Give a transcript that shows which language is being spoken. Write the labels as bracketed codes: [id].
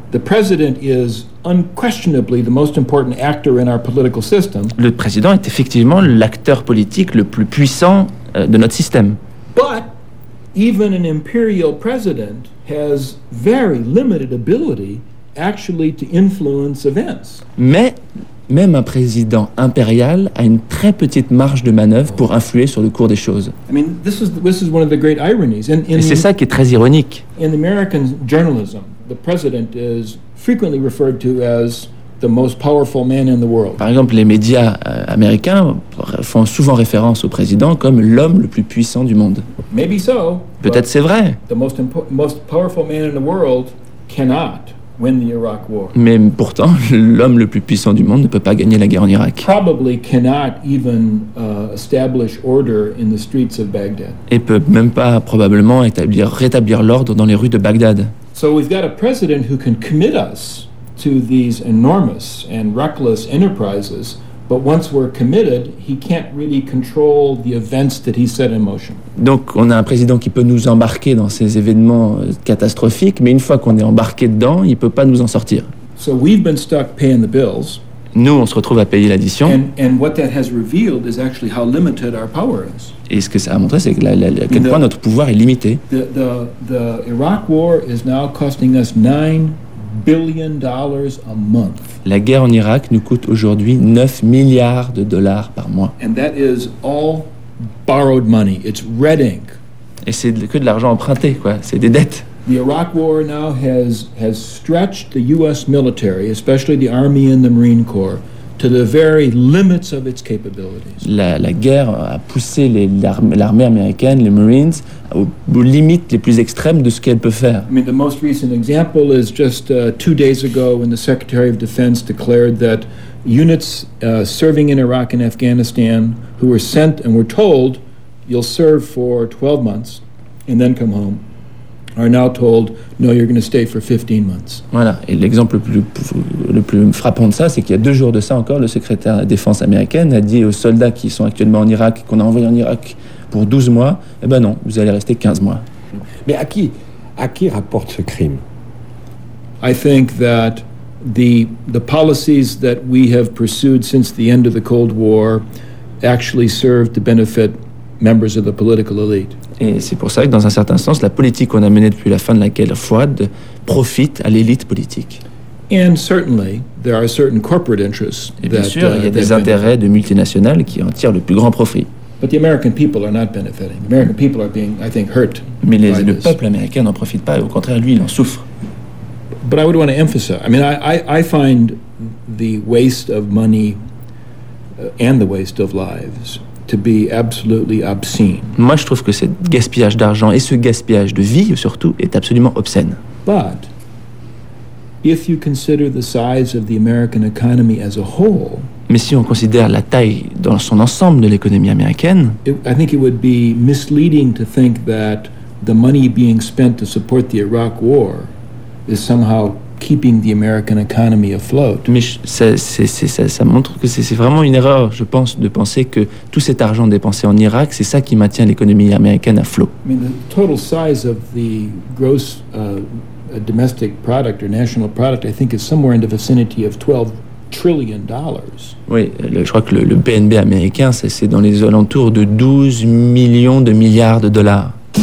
[en] The president is unquestionably the most important actor in our political system. [fr] Le président est effectivement l'acteur politique le plus puissant de notre système. [en] But even an imperial president has very limited ability actually to influence events. [fr] Mais même un président impérial a une très petite marge de manœuvre pour influer sur le cours des choses. [en] I mean, this is one of the great ironies. [fr] Et c'est ça qui est très ironique. [en] In American journalism, the president is frequently referred to as the most powerful man in the world. [fr] Par exemple, les médias américains font souvent référence au président comme l'homme le plus puissant du monde. [en] Maybe so. [fr] Peut-être c'est vrai. [en] The most powerful man in the world cannot win the Iraq war. [fr] Mais pourtant, l'homme le plus puissant du monde ne peut pas gagner la guerre en Irak. [en] Probably cannot even establish order in the streets of Baghdad. [fr] Et peut même pas probablement rétablir l'ordre dans les rues de Bagdad. [en] So we've got a president who can commit us to these enormous and reckless enterprises. But once we're committed, he can't really control the events that he set in motion. [fr] Donc on a un président qui peut nous embarquer dans ces événements catastrophiques, mais une fois qu'on est embarqué dedans, il peut pas nous en sortir. [en] So we've been stuck paying the bills. [fr] Nous, on se retrouve à payer l'addition. [en] And what that has revealed is actually how limited our power is. [fr] Et ce que ça a montré, c'est que à quel point notre pouvoir est limité. [en] The Iraq war is now costing us $9 billion a month. [fr] La guerre en Irak nous coûte aujourd'hui 9 milliards de dollars par mois. [en] And that is all borrowed money. It's red ink. [fr] Et c'est que de l'argent emprunté, quoi. C'est des dettes. [en] The Iraq war now has stretched the U.S. military, especially the Army and the Marine Corps, to the very limits of its capabilities. [fr] La guerre a poussé l'armée américaine, les Marines, aux limites les plus extrêmes de ce qu'elle peut faire. [en] I mean, the most recent example is just 2 days ago when the Secretary of Defense declared that units serving in Iraq and Afghanistan who were sent and were told you'll serve for 12 months and then come home are now told no, you're going to stay for 15 months. [fr] Voilà, et l'exemple le plus frappant de ça, c'est qu'il y a deux jours de ça encore, le secrétaire de la défense américaine a dit aux soldats qui sont actuellement en Irak, qu'on a envoyé en Irak pour 12 mois, eh ben non, vous allez rester 15 mois. Mais à qui rapporte ce crime? [en] I think that the policies that we have pursued since the end of the Cold War actually served to benefit members of the political elite. [fr] Et c'est pour ça que, dans un certain sens, la politique qu'on a menée depuis la fin de la guerre froide profite à l'élite politique. [en] And certainly, there are certain corporate interests. [fr] Et bien sûr, il y a des intérêts de multinationales qui en tirent le plus grand profit. [en] But the American people are not benefiting. American people are being, I think, hurt. [fr] Mais le peuple américain n'en profite pas. Au contraire, lui, il en souffre. [en] But I would want to emphasize. I mean, I find the waste of money and the waste of lives to be absolutely obscene. [fr] Moi, je trouve que ce gaspillage d'argent et ce gaspillage de vie, surtout, est absolument obscène. [en] But if you consider the size of the American economy as a whole, [fr] mais si on considère la taille dans son ensemble de l'économie américaine, [en] I think it would be misleading to think that the money being spent to support the Iraq War is somehow keeping the American economy afloat. [fr] Mais ça montre que c'est vraiment une erreur, je pense, de penser que tout cet argent dépensé en Irak, c'est ça qui maintient l'économie américaine à flot. [en] I mean, the total size of the gross domestic product or national product, I think, is somewhere in the vicinity of $12 trillion. [fr] Oui, je crois que le PNB américain, c'est dans les alentours de 12 millions de milliards de dollars.